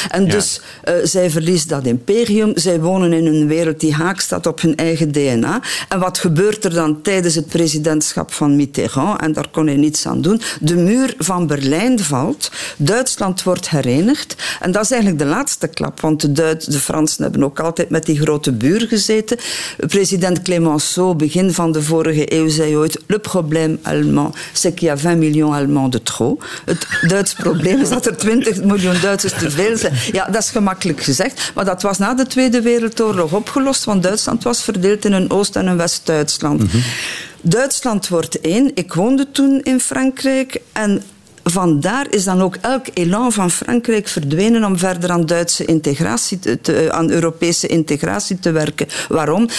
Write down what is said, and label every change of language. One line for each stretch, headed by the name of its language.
Dutch: En dus, zij verliezen dat imperium, zij wonen in een wereld die haak staat op hun eigen DNA. En wat gebeurt er dan tijdens het presidentschap van Mitterrand? En daar kon hij niets aan doen. De muur van Berlijn valt, Duitsland wordt herenigd. En dat is eigenlijk de laatste klap, want de Fransen hebben ook altijd met die grote buur gezeten. President Clemenceau, begin van de vorige eeuw, zei ooit:
French: le problème allemand, c'est qu'il y a 20 miljoen Allemands de trop.
Dutch: Het Duits probleem is dat er 20 miljoen Duitsers te veel zijn. Ja, dat is gemakkelijk gezegd. Maar dat was na de Tweede Wereldoorlog opgelost, want Duitsland was verdeeld in een Oost- en een West-Duitsland. Duitsland wordt één. Ik woonde toen in Frankrijk. En vandaar is dan ook elk elan van Frankrijk verdwenen om verder aan Duitse integratie, aan Europese integratie te werken. Waarom?